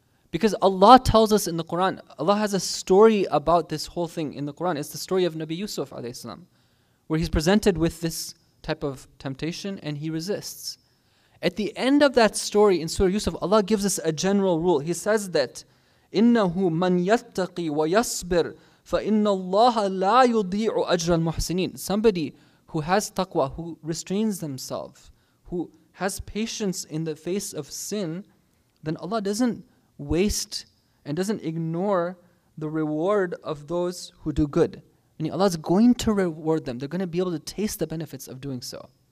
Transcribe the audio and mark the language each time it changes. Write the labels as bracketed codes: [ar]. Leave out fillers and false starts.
[en] Because Allah tells us in the Quran, Allah has a story about this whole thing in the Quran. It's the story of Nabi Yusuf, alayhi salam, where he's presented with this type of temptation and he resists. At the end of that story in Surah Yusuf, Allah gives us a general rule. [ar] He says that, إِنَّهُ مَنْ يَتَّقِي وَيَصْبِرْ فَإِنَّ اللَّهَ لَا يُضِيعُ أَجْرَ الْمُحْسِنِينَ. [en] Somebody who has taqwa, who restrains themselves, who has patience in the face of sin, then Allah doesn't waste and doesn't ignore the reward of those who do good. And Allah is going to reward them. They're going to be able to taste the benefits of doing so.